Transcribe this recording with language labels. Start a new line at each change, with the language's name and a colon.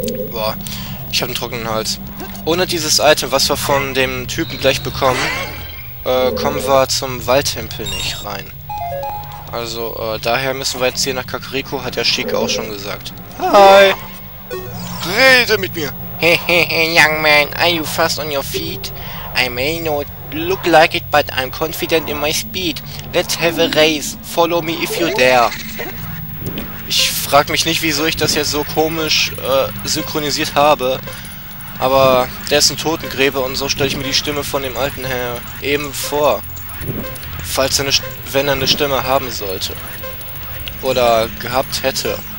German: Boah. Ich habe einen trockenen Hals. Ohne dieses Item, was wir von dem Typen gleich bekommen, kommen wir zum Waldtempel nicht rein. Also, daher müssen wir jetzt hier nach Kakariko, hat der Sheik auch schon gesagt. Hi! Rede mit mir!
English: Hey, young man, are you fast on your feet? I may not look like it, but I'm confident in my speed. Let's have a race. Follow me if you dare.
German: Ich frag mich nicht, wieso ich das jetzt so komisch synchronisiert habe. Aber der ist ein Totengräber und so stelle ich mir die Stimme von dem Alten her eben vor. Falls er eine Stimme haben sollte. Oder gehabt hätte.